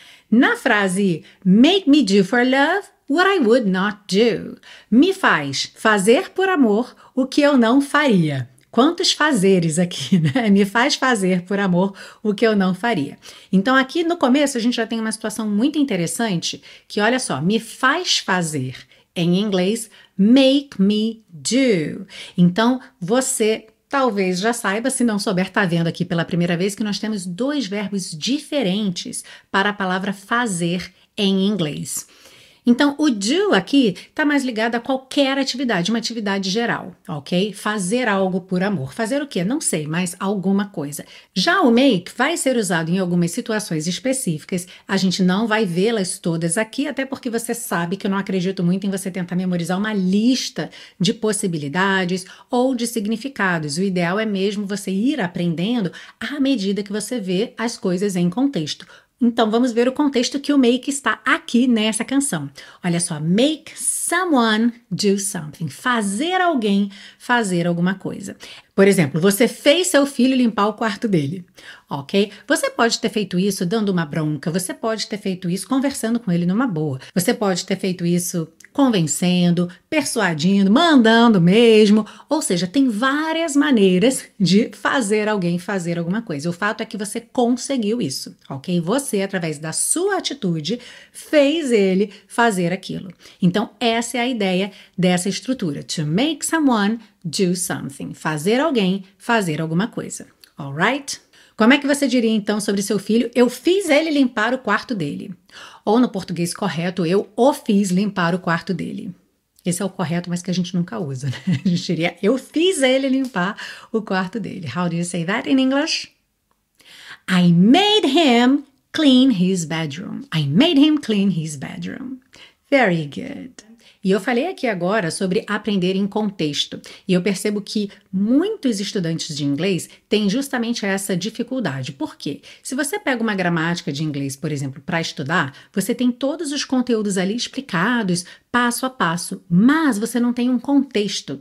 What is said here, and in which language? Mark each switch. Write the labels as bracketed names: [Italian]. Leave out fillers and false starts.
[Portuguese] Na frase, [English] make me do for love, what I would not do. [Portuguese] Me faz fazer por amor o que eu não faria. Quantos fazeres aqui, né? Me faz fazer por amor o que eu não faria. Então, aqui no começo, a gente já tem uma situação muito interessante, que olha só, me faz fazer, em inglês, [English] make me do. [Portuguese] Então, você talvez já saiba, se não souber, tá vendo aqui pela primeira vez, que nós temos dois verbos diferentes para a palavra fazer em inglês. Então, o do aqui está mais ligado a qualquer atividade, uma atividade geral, ok? Fazer algo por amor. Fazer o quê? Não sei, mas alguma coisa. Já o make vai ser usado em algumas situações específicas. A gente não vai vê-las todas aqui, até porque você sabe que eu não acredito muito em você tentar memorizar uma lista de possibilidades ou de significados. O ideal é mesmo você ir aprendendo à medida que você vê as coisas em contexto. Então, vamos ver o contexto que o make está aqui nessa canção. Olha só, [English] make someone do something. [Portuguese] Fazer alguém fazer alguma coisa. Por exemplo, você fez seu filho limpar o quarto dele, ok? Você pode ter feito isso dando uma bronca, você pode ter feito isso conversando com ele numa boa, você pode ter feito isso convencendo, persuadindo, mandando mesmo. Ou seja, tem várias maneiras de fazer alguém fazer alguma coisa. O fato é que você conseguiu isso, ok? Você, através da sua atitude, fez ele fazer aquilo. Então, essa é a ideia dessa estrutura. [English] To make someone do something. [Portuguese] Fazer alguém fazer alguma coisa. [English] Alright? [Portuguese] Como é que você diria, então, sobre seu filho? Eu fiz ele limpar o quarto dele. Ou, no português correto, eu o fiz limpar o quarto dele. Esse é o correto, mas que a gente nunca usa, né? A gente diria, eu fiz ele limpar o quarto dele. [English] How do you say that in English? I made him clean his bedroom. I made him clean his bedroom. Very good. [Portuguese] E eu falei aqui agora sobre aprender em contexto. E eu percebo que muitos estudantes de inglês têm justamente essa dificuldade. Por quê? Se você pega uma gramática de inglês, por exemplo, para estudar, você tem todos os conteúdos ali explicados, passo a passo, mas você não tem um contexto.